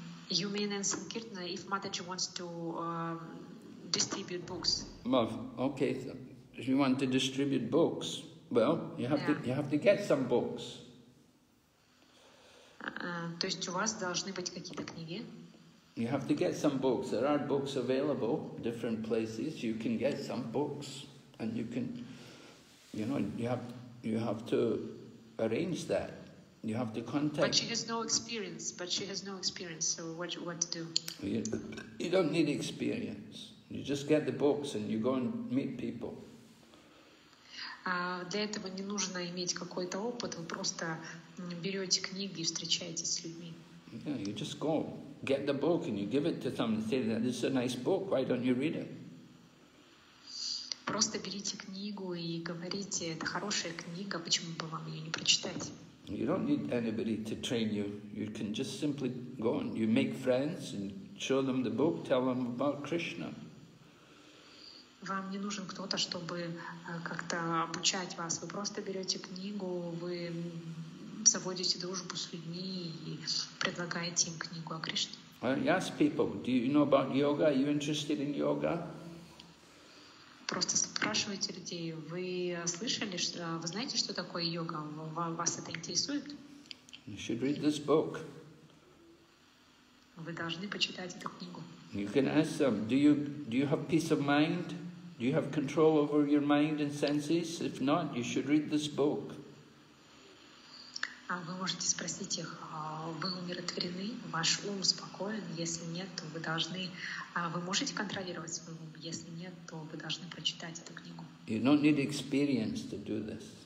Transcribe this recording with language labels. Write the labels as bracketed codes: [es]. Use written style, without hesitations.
[en] You mean in Sankirtana, if Mataji wants to distribute books? Well, okay, if you want to distribute books, well, you have to get some books. [ru] То есть у вас должны быть какие-то книги? [en] You have to get some books. There are books available different places. You can get some books and you can, you know, you have to arrange that. You have to contact. But she has no experience. So what to do? You don't need experience. You just get the books and you go and meet people. [ru] Для этого не нужно иметь какой-то опыт, вы просто берете книги и встречаетесь с людьми. [en] Yeah, you just go, get the book and you give it to someone and say, that this is a nice book, why don't you read it? [ru] Просто берите книгу и говорите, это хорошая книга, почему бы вам ее не прочитать? [en] You don't need anybody to train you. You can just simply go and you make friends and show them the book, tell them about Krishna. [ru] Вам не нужен кто-то, чтобы как-то обучать вас. Вы просто берете книгу, вы заводите дружбу с людьми и предлагаете им книгу о Кришне. [en] Ask people, do you know about yoga? Are you interested in yoga? [ru] Просто спрашивайте людей, вы слышали, что, вы знаете, что такое йога? Вас это интересует? [en] You should read this book. [ru] Вы должны почитать эту книгу. [en] You can ask them, do you have peace of mind? Do you have control over your mind and senses? If not, you should read this book. [ru] Вы можете спросить их, вы умиротворены, ваш ум спокоен, если нет, то вы должны, вы можете контролировать свой ум, если нет, то вы должны прочитать эту книгу. [en] You don't need experience to do this.